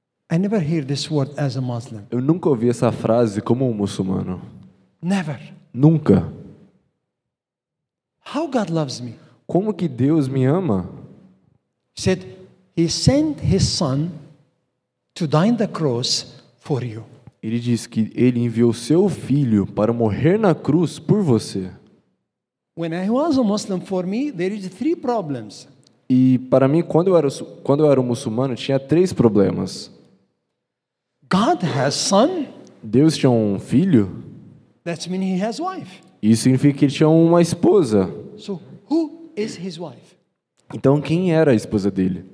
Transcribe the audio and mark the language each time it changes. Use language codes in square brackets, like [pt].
[en] I never hear this word as a Muslim. [pt] Eu nunca ouvi essa frase como um muçulmano. [en] Never. [pt] Nunca. [en] How God loves me? [pt] Como que Deus me ama? [en] He said, He sent His Son to die on the cross for you. [pt] Ele diz que ele enviou seu filho para morrer na cruz por você. [en] When I was a Muslim, for me, there is three problems. [pt] E para mim, quando eu era um muçulmano, tinha três problemas. [en] God has son. [pt] Deus tinha um filho. [en] That means he has wife. [pt] Isso significa que ele tinha uma esposa. [en] So, who is his wife? [pt] Então, quem era a esposa dele?